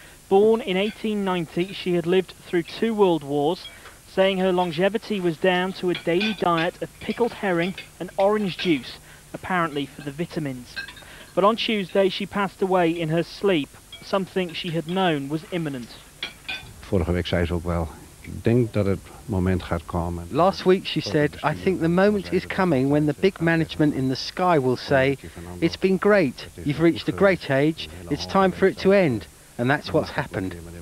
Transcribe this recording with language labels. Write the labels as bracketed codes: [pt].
[en] Born in 1890, she had lived through two world wars, saying her longevity was down to a daily diet of pickled herring and orange juice, apparently for the vitamins. But on Tuesday, she passed away in her sleep, something she had known was imminent. [nl] Vorige week zei ze ook wel, ik denk dat het moment gaat komen. [en] Last week she said, I think the moment is coming when the big management in the sky will say, it's been great, you've reached a great age, it's time for it to end. And that's what's happened.